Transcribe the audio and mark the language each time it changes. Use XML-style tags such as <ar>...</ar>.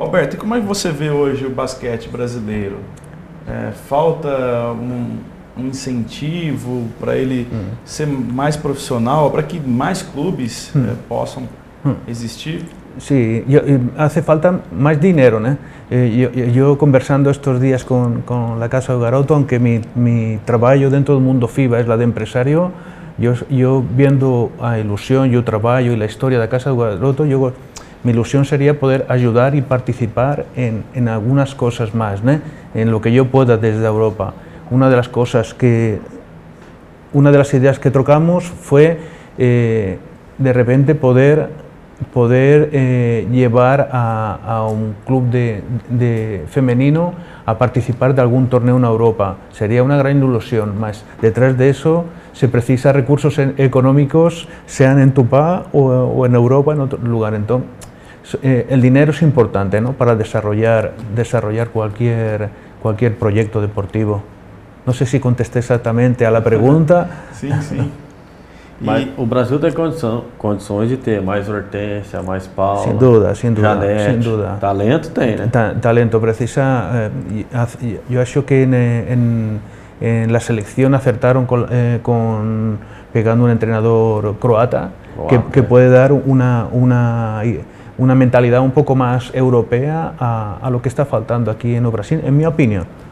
<pt>Alberto, e como é que você vê hoje o basquete brasileiro? Falta um incentivo para ele ser mais profissional, para que mais clubes possam existir? Sim,</pt> <es>hace falta</es> <pt>mais dinheiro, né? Eu conversando estes dias com a Casa do Garoto,</pt> <es>aunque mi</es> <pt>trabalho dentro do mundo FIBA é a de empresário,</pt> <es>yo viendo a ilusión y el trabajo y la historia de la Casa de Guadalupe, yo mi ilusión sería poder ayudar y participar en algunas cosas más, ¿no? En lo que yo pueda desde Europa. Una de las cosas que, una de las ideas que trocamos fue de repente poder poder llevar a un club de femenino a participar de algún torneo en Europa. Sería una gran ilusión, mas detrás de eso se precisa recursos económicos, sean en Tupá o en Europa, en otro lugar. Entonces, el dinero es importante, ¿no?, para desarrollar cualquier proyecto deportivo. No sé si contesté exactamente a la pregunta. Sí, sí.</es> <pt>Mas o Brasil tem condições de ter mais Hortência, mais Paula. Sem dúvida, sem dúvida. Janete, sem dúvida. Talento tem, né? Talento precisa. Eu acho que em la seleção acertaram com pegando um treinador croata, que pode dar uma mentalidade um pouco mais europeia</pt> <es>a lo que</es> <pt>está faltando aqui no Brasil, em minha opinião.</pt>